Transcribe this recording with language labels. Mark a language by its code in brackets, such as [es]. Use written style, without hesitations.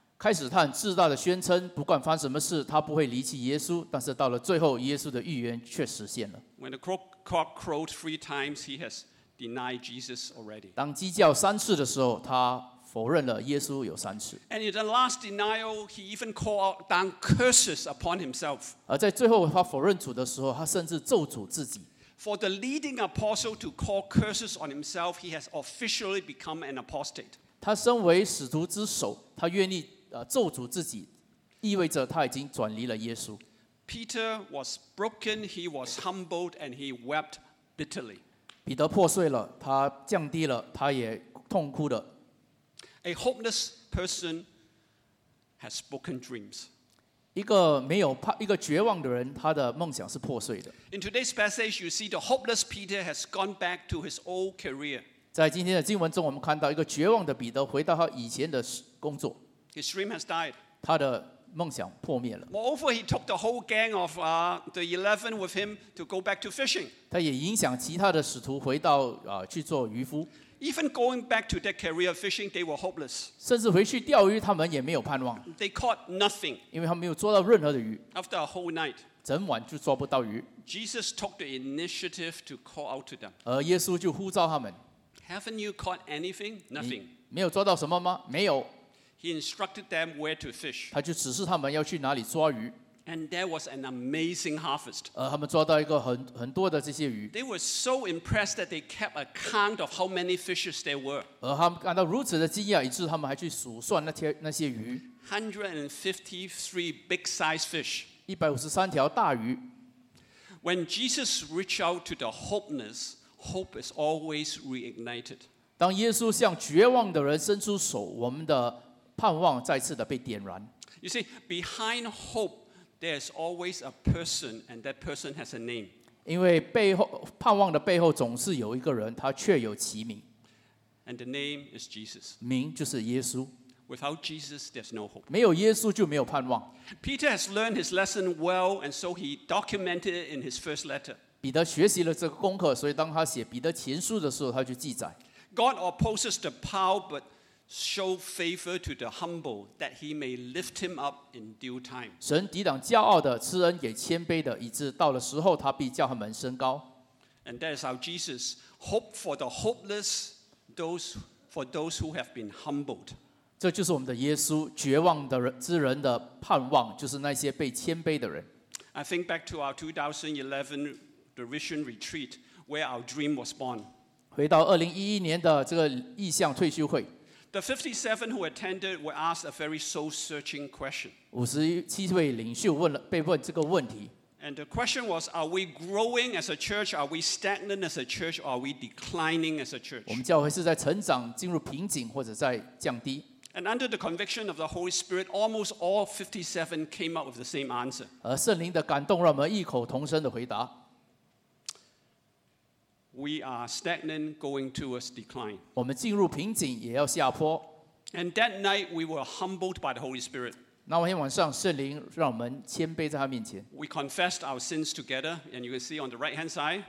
[zh] 开始他很自大的宣称，不管发生什么事，他不会离弃耶稣。但是到了最后，耶稣的预言却实现了。 [en] When the cock crowed three times, he has denied Jesus already. [zh] 当鸡叫三次的时候，他否认了耶稣有三次。 [en] And in the last denial, he even called down curses upon himself. [zh] 而在最后他否认主的时候，他甚至咒诅自己。 [en] For the leading apostle to call curses on himself, he has officially become an apostate. [zh] 他身为使徒之首，他愿意咒诅自己，意味着他已经转离了耶稣。 [en] Peter was broken, he was humbled, and he wept bitterly. [zh] 彼得破碎了，他降低了，他也痛哭的。 [en] A hopeless person has broken dreams. [zh] 一个绝望的人，他的梦想是破碎的。 [en] In today's passage, you see the hopeless Peter has gone back to his old career. [zh] 在今天的经文中，我们看到一个绝望的彼得回到他以前的工作。 [en] His dream has died. [zh] 他的梦想破灭了。 [en] Moreover, he took the whole gang of the 11 with him to go back to fishing. [zh] 他也影响其他的使徒回到去做渔夫。 [en] Even going back to their career of fishing, they were hopeless. [zh] 甚至回去钓鱼，他们也没有盼望。 [en] They caught nothing. [zh] 因为他们没有捉到任何的鱼。 [en] After a whole night, [zh] 整晚就捉不到鱼。 [en] Jesus took the initiative to call out to them. [zh] 而耶稣就呼召他们。 [en] Haven't you caught anything? Nothing. [zh] 没有抓到什么吗？没有。 [en] He instructed them where to fish. [zh] 他就指示他们要去哪里抓鱼。 [en] And there was an amazing harvest. [zh] 他们抓到一个很多的这些鱼。 [en] They were so impressed that they kept a count of how many fishes there were. [zh] 他们感到如此的惊讶，以致他们还去数算那些鱼。 [en] 153 big size fish. [zh] 153条大鱼。 [en] When Jesus reached out to the hopeless, hope is always reignited. [zh] 当耶稣向绝望的人伸出手，我们的盼望再次的被点燃。 [en] You see, behind hope. There's always a person, and that person has a name. [zh] 因为背后盼望的背后总是有一个人，他却有其名。 [en] And the name is Jesus. [zh] 名就是耶稣。 [en] Without Jesus, there's no hope. [zh] 没有耶稣就没有盼望。 [en] Peter has learned his lesson well, and so he documented it in his first letter. [zh] 彼得学习了这个功课，所以当他写彼得前书的时候，他就记载。 [en] God opposes the proud, but show favor to the humble that he may lift him up in due time. [zh] 神抵挡骄傲的，赐恩给谦卑的，以致到了时候他必叫他们升高。 [en] And that is how Jesus hope for the hopeless, those who have been humbled. [zh] 这就是我们的耶稣，绝望的人之人的盼望，就是那些被谦卑的人。 [en] I think back to our 2011 the vision retreat where our dream was born. [zh] 回到2011年的这个意向退休会。 [en] The 57 who attended were asked a very soul-searching question. [zh] 57位领袖被问这个问题。 [en] And the question was, are we growing as a church? Are we stagnant as a church? Or are we declining as a church? [zh] 我们教会是在成长，进入瓶颈，或者在降低。 [en] And under the conviction of the Holy Spirit, almost all 57 came up with the same answer. [zh] 而圣灵的感动让我们异口同声的回答。 [en] We are stagnant, going towards decline. [zh] 我们进入瓶颈，也要下坡。 [en] And that night, we were humbled by the Holy Spirit. [zh] 那天晚上，圣灵让我们谦卑在他面前。 [en] We confessed our sins together, and you can see on the right-hand side.